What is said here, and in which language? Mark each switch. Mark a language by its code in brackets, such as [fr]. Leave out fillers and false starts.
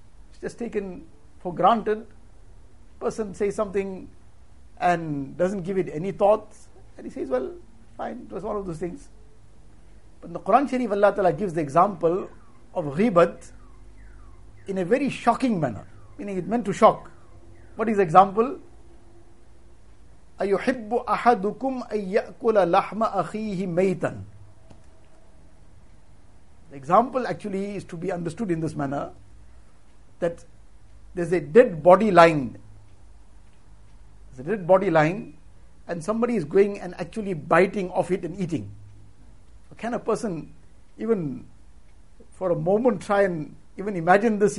[en] It's just taken for granted. Person says something and doesn't give it any thought. And he says, well, fine, it was one of those things. But in the Quran Sharif, Allah Ta'ala gives the example of ghibat in a very shocking manner. Meaning it meant to shock. What is the example? [ar] أَيُحِبُّ أَحَدُكُمْ أَن يَأْكُلَ لَحْمَ أَخِيهِ مَيْتًا. [en] The example actually is to be understood in this manner, that there's a dead body lying. There's a dead body lying and somebody is going and actually biting off it and eating. So can a person even for a moment try and even imagine this?